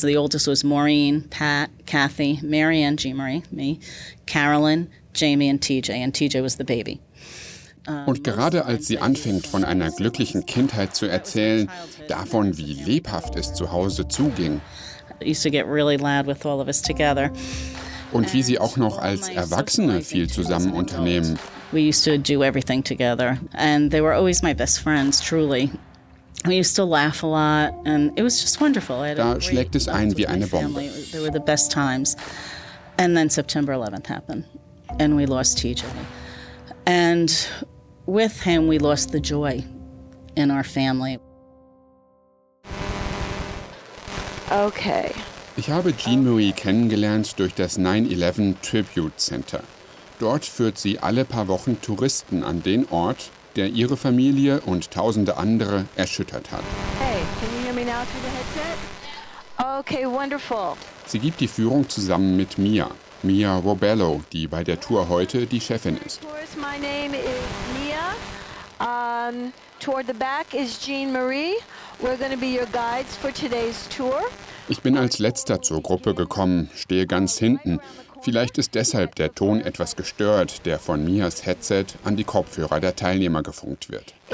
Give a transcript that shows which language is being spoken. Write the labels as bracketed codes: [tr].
[en] The oldest was Maureen, Pat, Kathy, Marianne, Jean Marie, me, Carolyn, Jamie and TJ. And TJ was the baby. [de] Und gerade als sie anfängt, von einer glücklichen Kindheit zu erzählen, davon, wie lebhaft es zu Hause zuging. [en] I used to get really loud with all of us together. [de] Und wie sie auch noch als Erwachsene viel zusammen unternehmen. [en] We used to do everything together and they were always my best friends, truly. We used to laugh a lot and it was just wonderful. [de] Da schlägt es ein wie eine Bombe. [en] They were the best times. And then September 11th happened and we lost TJ. And with him we lost the joy in our family. Okay. [de] Ich habe Jean Marie kennengelernt durch das 9/11 Tribute Center. Dort führt sie alle paar Wochen Touristen an den Ort, der ihre Familie und tausende andere erschüttert hat. [en] Hey, can you hear me now through the headset? Okay, wonderful. [de] Sie gibt die Führung zusammen mit Mia Robello, die bei der Tour heute die Chefin ist. [en] My name is Mia. Toward the back is Jean Marie. We're going to be your guides for today's tour. [de] Ich bin als Letzter zur Gruppe gekommen, stehe ganz hinten. Vielleicht ist deshalb der Ton etwas gestört, der von Mias Headset an die Kopfhörer der Teilnehmer gefunkt wird.